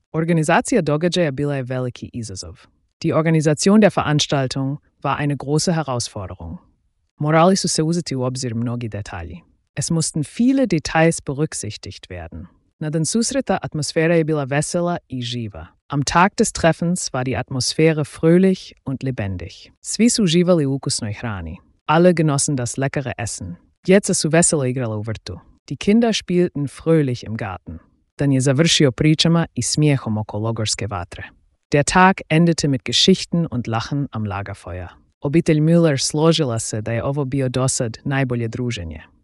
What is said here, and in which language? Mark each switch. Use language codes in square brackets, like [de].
[hr] Organizacija događaja bila je veliki izazov. [de] Die Organisation der Veranstaltung war eine große Herausforderung. [hr] Morali su se uzeti u obzir mnogi detalji. [de] Es mussten viele Details berücksichtigt werden. [hr] Na den susreta atmosfera je bila vesela i živa. [de] Am Tag des Treffens war die Atmosphäre fröhlich und lebendig. [hr] Svi su uživali u ukusnoj hrani. [de] Alle genossen das leckere Essen. [hr] Djeca su veselo igrala u vrtu. [de] Die Kinder spielten fröhlich im Garten. [hr] Dan je završio pričama i smijehom oko logorske vatre. [de] Der Tag endete mit Geschichten und Lachen am Lagerfeuer. [hr] Obitelj Müller složila se da je ovo bio dosad najbolje druženje.